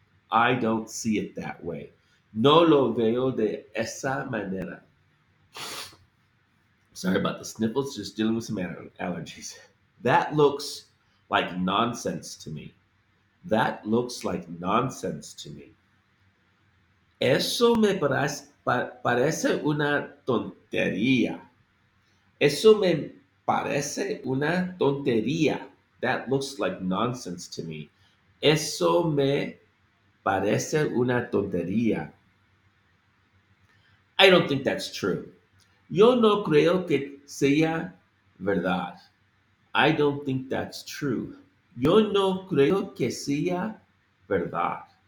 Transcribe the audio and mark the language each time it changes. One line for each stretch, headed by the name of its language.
English: I don't see it that way.
Spanish: No lo veo de esa manera.
English: Sorry about the sniffles, just dealing with some allergies. That looks like nonsense to me. That looks like nonsense to me.
Spanish: Eso me parece una tontería. Eso me parece una tontería.
English: That looks like nonsense to me.
Spanish: Eso me parece una tontería.
English: I don't think that's true.
Spanish: Yo no creo que sea verdad.
English: I don't think that's true.
Spanish: Yo no creo que sea verdad.